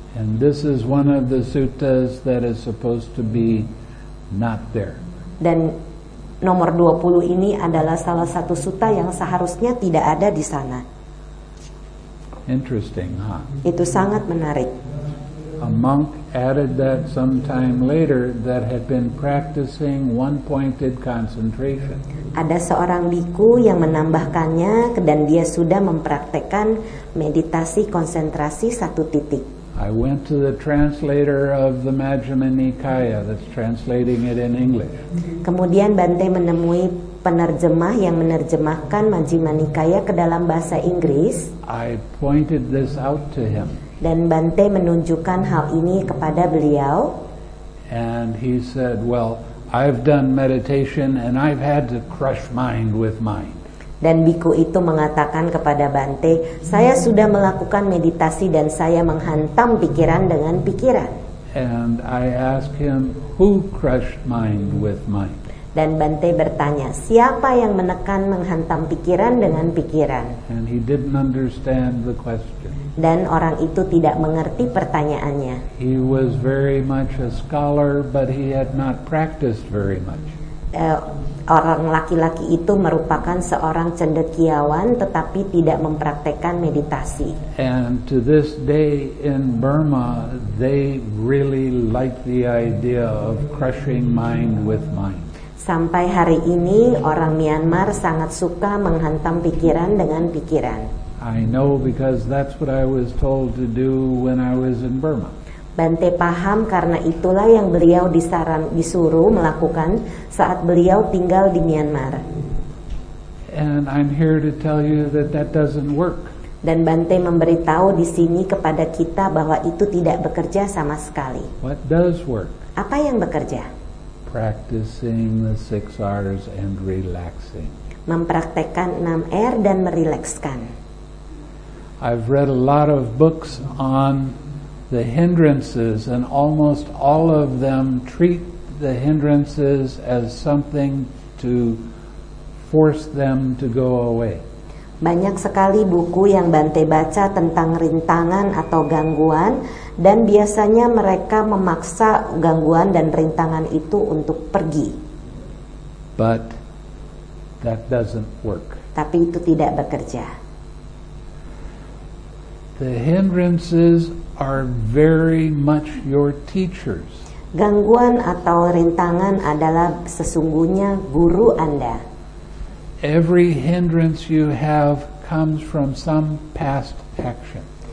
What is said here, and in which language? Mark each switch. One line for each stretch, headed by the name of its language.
English: And this is one of the suttas that is supposed to be not there.
Indonesian: Dan nomor 20 ini adalah salah satu sutta yang seharusnya tidak ada di sana.
English: Interesting, huh?
Indonesian: Itu sangat menarik.
English: A monk added that sometime later that had been practicing one-pointed concentration.
Indonesian: Ada seorang biku yang menambahkannya dan dia sudah mempraktekkan meditasi konsentrasi satu titik.
English: I went to the translator of the Majjhima Nikaya that's translating it in English.
Indonesian: Kemudian Bante menemui penerjemah yang menerjemahkan Majjhima Nikaya ke dalam bahasa Inggris.
English: I pointed this out to him.
Indonesian: Dan Bante menunjukkan hal ini kepada beliau.
English: And he said, well, I've done meditation and I've had to crush mind with mind.
Indonesian: Dan biku itu mengatakan kepada Bante, saya sudah melakukan meditasi dan saya menghantam pikiran dengan pikiran.
English: And I asked him, who crushed mind with mind?
Indonesian: Dan Bante bertanya, siapa yang menekan menghantam pikiran dengan pikiran?
English: And he didn't understand the question.
Indonesian: Dan orang itu tidak mengerti pertanyaannya.
English: He was very much a scholar, but he had not practiced very much.
Indonesian: Orang laki-laki itu merupakan seorang cendekiawan, tetapi tidak mempraktekkan meditasi.
English: And to this day in Burma, they really like the idea of crushing mind with mind.
Indonesian: Sampai hari ini orang Myanmar sangat suka menghantam pikiran dengan pikiran.
English: I know because that's what I was told to do when I was in Burma.
Indonesian: Bante paham karena itulah yang beliau disuruh melakukan saat beliau tinggal di Myanmar.
English: And I'm here to tell you that that doesn't work.
Indonesian: Dan Bante memberitahu di sini kepada kita bahwa itu tidak bekerja sama sekali.
English: What does work?
Indonesian: Apa yang bekerja?
English: Practicing the 6 R's and relaxing.
Indonesian: Mempraktekkan 6 R dan merilekskan.
English: I've read a lot of books on the hindrances, and almost all of them treat the hindrances as something to force them to go away.
Indonesian: Banyak sekali buku yang Bante baca tentang rintangan atau gangguan, dan biasanya mereka memaksa gangguan dan rintangan itu untuk pergi.
English: But that doesn't work.
Indonesian: Tapi itu tidak bekerja.
English: The hindrances are very much your teachers.
Indonesian: Gangguan atau rintangan adalah sesungguhnya guru Anda.
English: Every hindrance you have comes from some past action.